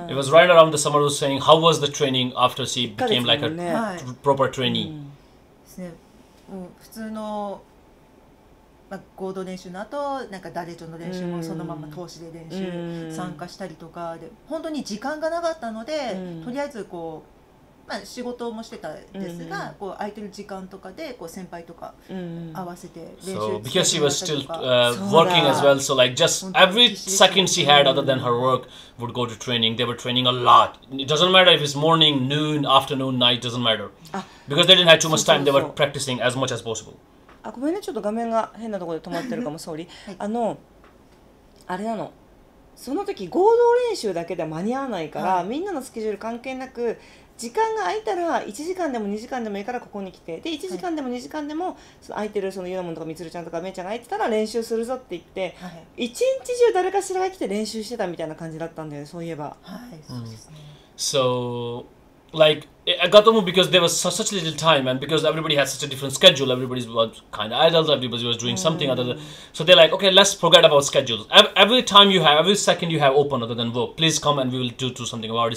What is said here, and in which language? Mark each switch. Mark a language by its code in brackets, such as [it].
[en] It was right around the summer was saying how was the training after she became like a、 [ja] ね、 [en] proper trainee、 [ja] うんね、うん、普通の、まあ、合同練習の後なんかダレチョの練習もそのまま通しで練習参加したりとかで、本当に時間がなかったので、うん、とりあえずこう、まあ、仕事もしてたんですが、うん、こう空いてる時間とかでこう先輩とか合わせて練 [en] 習して、うん、so, because she was still working as well, so like just every second she had other than her work would go to training. They were training a lot. It doesn't matter if it's morning, noon, afternoon, night, doesn't matter. Because they didn't have too much time, they were practicing as much as possible. [ja] あ、ごめんね、ちょっと画面が変なところで止まってるかも、総理。あの、あれなの。その時合同練習だけでは間に合わないから、みんなのスケジュール関係なく、時間が空いたら1時間でも2時間でもいいからここに来て、で1時間でも2時間でもその空いてるそのユナモンとかミツルちゃんとかメイちゃんが空いてたら練習するぞって言って、はい、 1日中誰かしらが来て練習してたみたいな感じだったんだよね、そういえば。そう [en] ですね。 So like I got them because there was such little time and because everybody had such a different schedule, everybody was kind of idle, everybody was doing something other than, so they're like, okay, let's forget about schedules. Every time you have, every second you have open other than work, please come and we will do something about it.